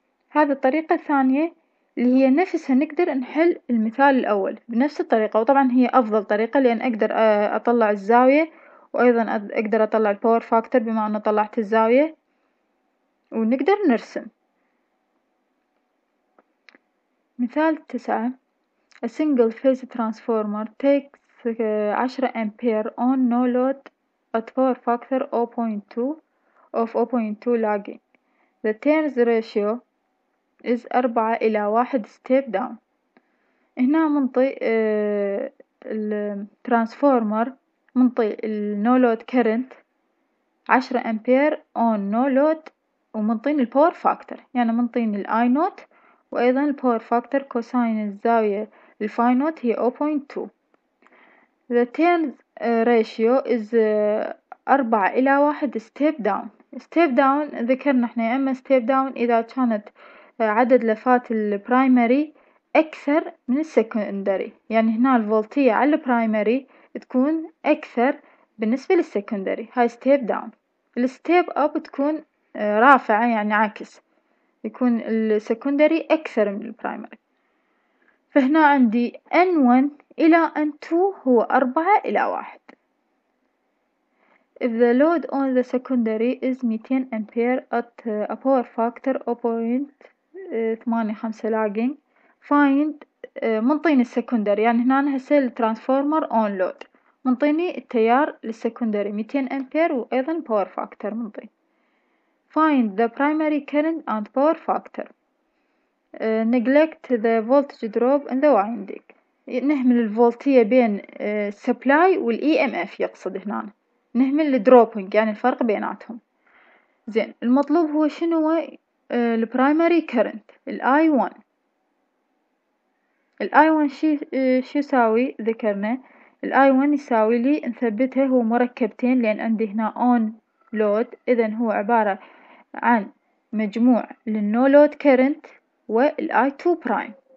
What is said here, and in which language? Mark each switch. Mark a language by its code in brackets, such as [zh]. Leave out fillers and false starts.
[ar] هذه الطريقة الثانية اللي هي نفسها نقدر نحل المثال الأول بنفس الطريقة، وطبعا هي أفضل طريقة لأن أقدر أطلع الزاوية وأيضا أقدر أطلع الباور فاكتور بما أنه طلعت الزاوية، ونقدر نرسم. مثال 9، [en] A single phase transformer takes 10 ampere on no load at power factor 0.2 of 0.2 lagging. The turns ratio is 4 [ar] إلى [en] 1 step down. [ar] هنا منطي الترانسفورمر، منطي ال no load current 10 أمبير [en] on no load، [ar] ومنطين ال power factor، يعني منطين ال I نوت وأيضا ال power factor كوساين الزاوية ال phi نوت هي 0.2. [en] The turns ratio is 4 [ar] إلى [en] 1 step down. [ar] Step down ذكرنا إحنا، أما step down إذا كانت عدد لفات البرايمري أكثر من السكندري، يعني هنا الفولتية على البرايمري تكون أكثر بالنسبة للسكندري، هاي step down. الستيب أب تكون رافعة يعني عكس، يكون السكندري أكثر من البرايمري. فهنا عندي N1 إلى N2 هو 4 إلى 1. [en] If the load on the secondary is 200 ampere at a power factor 0.85 lagging, find [ar] منطين السكندري، يعني هنا هسه الترانسفورمر [en] on load [ar] منطيني التيار للسكندري 200 أمبير وأيضا باور فاكتر منطي. [en] Find the primary current and power factor. Neglect the voltage drop in the winding. [ar] نهمل الفولتية بين supply والإي ام اف، يقصد هنا نهمل الدروبينج يعني الفرق بيناتهم. زين المطلوب هو شنو؟ البرايمري كرنت الاي 1. الاي 1 شو يساوي؟ ذكرنا الاي 1 يساوي لي نثبتها هو مركبتين، لان عندي هنا اون لود، اذا هو عباره عن مجموع للنو لود كرنت والاي 2 برايم.